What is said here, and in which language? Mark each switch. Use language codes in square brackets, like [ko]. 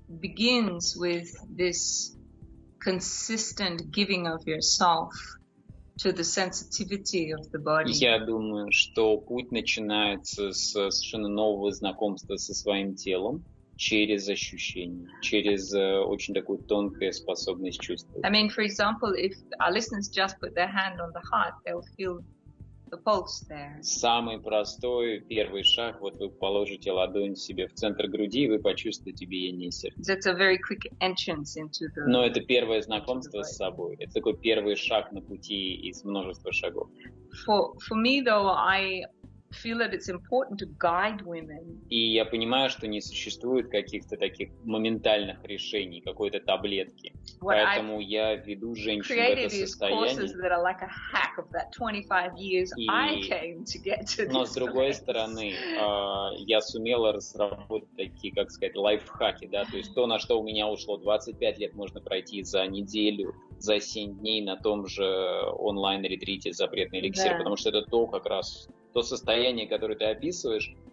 [en] begins with this consistent giving of yourself to the sensitivity of the body. [ru] Я думаю, что путь начинается с совершенно нового знакомства со своим телом через ощущение, через очень такую тонкую способность чувствовать. [en] I mean, for example, if our listeners just put their hand on the heart, they'll feel the pulse there. [ru] Самый простой первый шаг, вот вы положите ладонь себе в центр груди, и вы почувствуете биение сердца. [en] That's a very quick entrance into the. [ru] Но это первое знакомство с собой. Это такой первый шаг на пути из множества шагов. [en] For me though, I feel that it's important to guide women. [ru] И я понимаю, что не существует каких-то таких моментальных решений, какой-то таблетки. Поэтому я веду женщин в это состояние. [en] Created these courses that are like a hack of that 25 years I came to get to this. [ru] Но с другой стороны, я сумела разработать такие, как сказать, лайфхаки, да, то есть то, на что у меня ушло 25 лет, можно пройти за неделю, за 7 дней на том же онлайн-ретрите «Запретный эликсир», потому что это то как раз то состояние, которое ты описываешь,